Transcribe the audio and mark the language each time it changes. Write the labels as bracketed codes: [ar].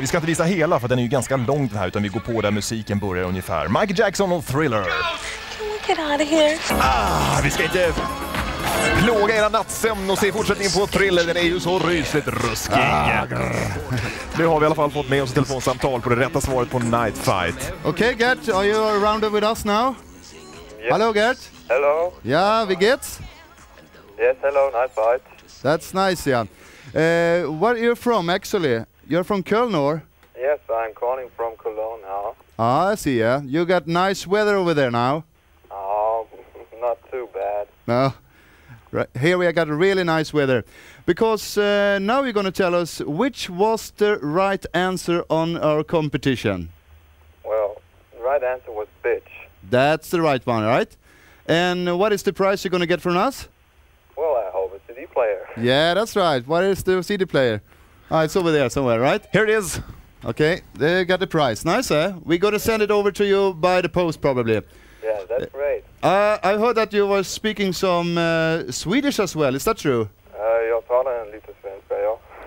[sv] Vi ska inte visa hela för den är ju ganska lång den här utan vi går på där musiken börjar ungefär. Michael Jackson och Thriller. [en] Get out of here. [sv] Ah, vi ska inte plåga era nattsömn och se fortsättningen på Thriller. Den är ju så rysligt ruskig. Nu har vi i alla fall fått med oss ett telefonsamtal på det rätta svaret på Nightflight. [en] Okay, Gert, are you around with us now? Yes. Hello, Gert. Hello. Yeah, we get? Yes, hello, Nightflight. That's nice, yeah. Where are you from, actually? You're from Köln, or? Yes, I'm calling from Cologne now. Ah, I see, yeah. You got nice weather over there now. Oh, not too bad. No. Right. Here we have got a really nice weather. Because now you're going to tell us which was the right answer on our competition. Well, the right answer was bitch. That's the right one, right? And what is the prize you're going to get from us? Well, I hope it's a CD player. Yeah, that's right. What is the CD player? Ah, it's over there somewhere, right? Here it is. Okay, they got the prize. Nice, eh? We got to send it over to you by the post, probably. Yeah, that's great. I heard that you were speaking some Swedish as well. Is that true? [sv] Jag talar en lite svenska, ja.